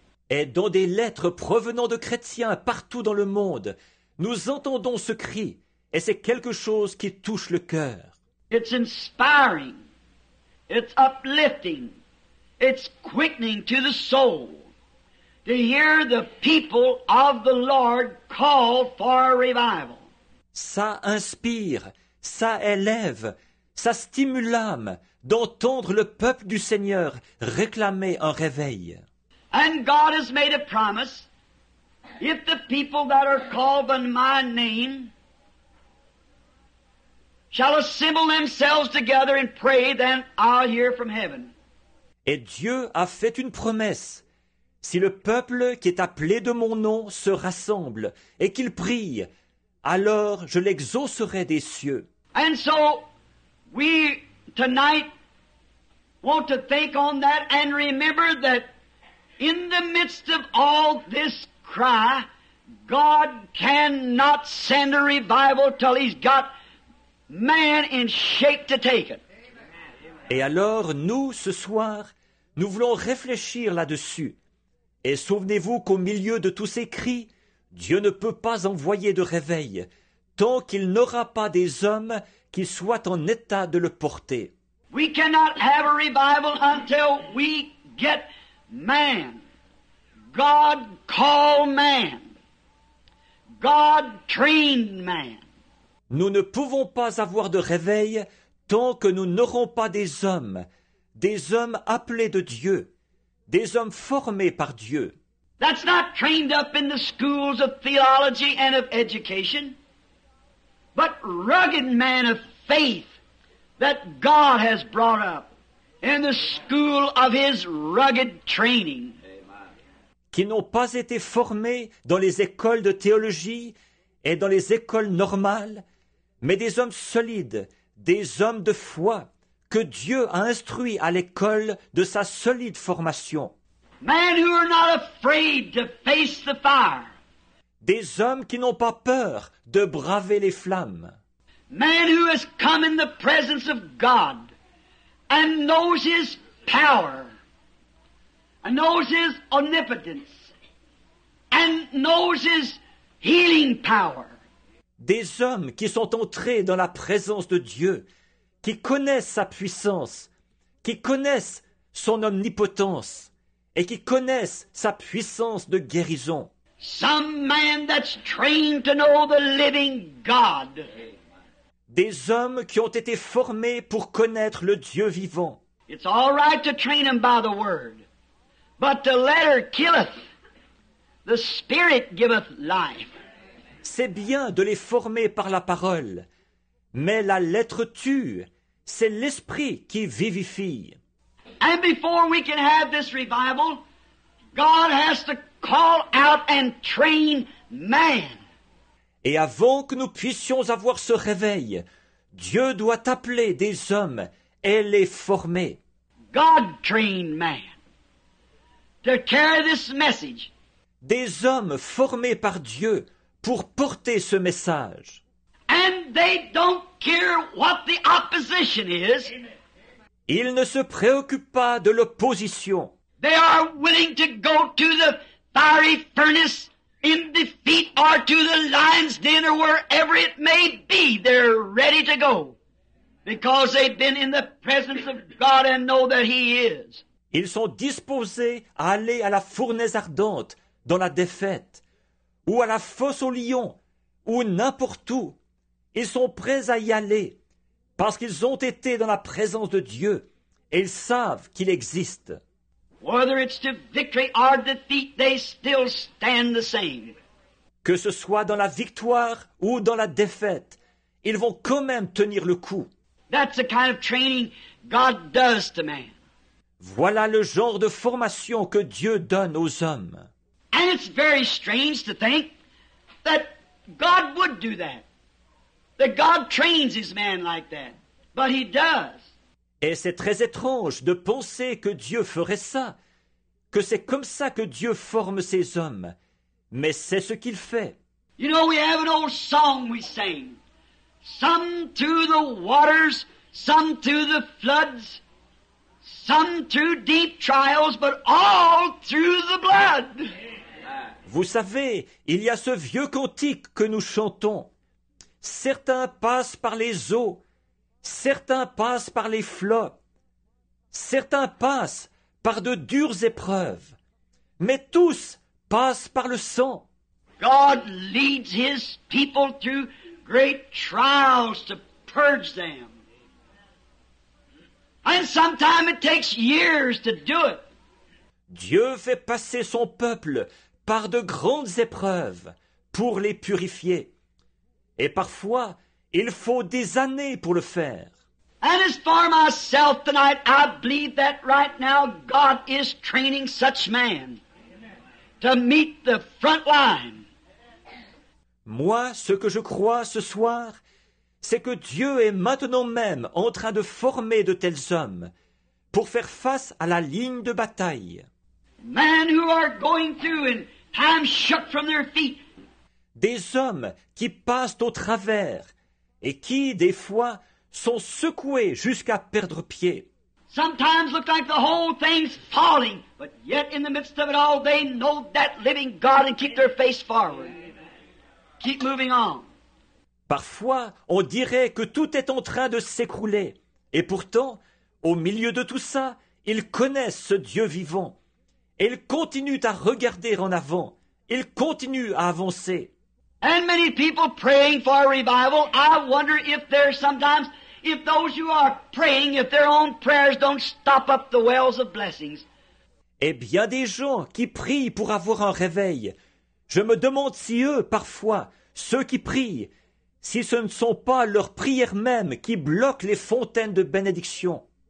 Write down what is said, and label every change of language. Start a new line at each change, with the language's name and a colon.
French: Et dans des lettres provenant de chrétiens partout dans le monde, nous entendons ce cri, et c'est quelque chose qui touche le cœur.
English: It's inspiring. It's uplifting. It's quickening to the soul to hear the people of the Lord call for a revival.
French: Ça inspire, ça élève, ça stimule l'âme d'entendre le peuple du Seigneur réclamer un réveil.
English: And God has made a promise. If the people that are called by my name shall assemble themselves together and pray, then I'll hear from heaven.
French: Et Dieu a fait une promesse. Si le peuple qui est appelé de mon nom se rassemble et qu'il prie, alors je l'exaucerai des cieux.
English: And so we tonight want to think on that and remember that in the midst of all this cry, God cannot send a revival till he's got man in shape to take it.
French: Et alors, nous, ce soir, nous voulons réfléchir là-dessus. Et souvenez-vous qu'au milieu de tous ces cris, Dieu ne peut pas envoyer de réveil tant qu'il n'aura pas des hommes qui soient en état de le porter.
English: We cannot have a revival until we get man. God called man. God trained man.
French: Nous ne pouvons pas avoir de réveil tant que nous n'aurons pas des hommes appelés de Dieu, des hommes formés par Dieu.
English: That's not trained up in the schools of theology and of education, but rugged man of faith that God has brought up in the school of his rugged training.
French: Qui n'ont pas été formés dans les écoles de théologie et dans les écoles normales, mais des hommes solides, des hommes de foi que Dieu a instruits à l'école de sa solide formation.
English: Men who are not afraid to face the fire.
French: Des hommes qui n'ont pas peur de braver les flammes.
English: Men who has come in the presence of God and knows his power and knows his omnipotence and knows his healing power.
French: Des hommes qui sont entrés dans la présence de Dieu, qui connaissent sa puissance, qui connaissent son omnipotence et qui connaissent sa puissance de guérison.
English: Some man that's trained to know the living God.
French: Des hommes qui ont été formés pour connaître le Dieu vivant.
English: It's all right to train him by the word, but the letter killeth, the spirit giveth life.
French: C'est bien de les former par la parole, mais la lettre tue, c'est l'esprit qui vivifie.
English: And before we can have this revival, God has to call out and train man.
French: Et avant que nous puissions avoir ce réveil, Dieu doit appeler des hommes et les former.
English: God trained man to carry this message.
French: Des hommes formés par Dieu pour porter ce message.
English: And they don't care what the opposition is.
French: Ils ne se préoccupent pas de l'opposition.
English: They are willing to go to the fiery furnace in defeat or to the lion's den or wherever it may be. They're ready to go because they've been in the presence of God and know that he is.
French: Ils sont disposés à aller à la fournaise ardente dans la défaite, ou à la fosse aux lions, ou n'importe où. Ils sont prêts à y aller parce qu'ils ont été dans la présence de Dieu et ils savent qu'il existe.
English: Whether it's to victory or defeat, they still stand the same.
French: Que ce soit dans la victoire ou dans la défaite, ils vont quand même tenir le coup.
English: That's the kind of training God does to man.
French: Voilà le genre de formation que Dieu donne aux hommes.
English: And it's very strange to think that God would do that. That God trains his man like that. But he does.
French: Et c'est très étrange de penser que Dieu ferait ça, que c'est comme ça que Dieu forme ses hommes. Mais c'est ce qu'il fait.
English: You know, we have an old song we sing. Some to the waters, some to the floods, some through deep trials, but all through the blood.
French: Vous savez, il y a ce vieux cantique que nous chantons. Certains passent par les eaux, certains passent par les flots, certains passent par de dures épreuves, mais tous passent par le sang.
English: God leads his people through great trials to purge them. And sometimes it takes years to do it.
French: Dieu fait passer son peuple par de grandes épreuves pour les purifier. Et parfois, il faut des années pour le faire.
English: And as for myself tonight, I believe that right now God is training such man to meet the front line.
French: Moi, ce que je crois ce soir, c'est que Dieu est maintenant même en train de former de tels hommes pour faire face à la ligne de bataille.
English: Men who are going through and time shook from their feet.
French: Des hommes qui passent au travers et qui, des fois, sont secoués jusqu'à perdre pied.
English: Sometimes look like the whole thing's falling, but yet in the midst of it all, they know that living God and keep their face forward. Keep moving on.
French: Parfois, on dirait que tout est en train de s'écrouler. Et pourtant, au milieu de tout ça, ils connaissent ce Dieu vivant. Et ils continuent à regarder en avant. Ils continuent à avancer.
English: And many people praying for a revival, I wonder if there are sometimes, if those who are praying, if their own prayers don't stop up the wells of blessings.
French: Et bien des gens qui prient pour avoir un réveil. Je me demande si eux, parfois, ceux qui prient, si ce ne sont pas leurs prières mêmes qui bloquent les fontaines de bénédiction.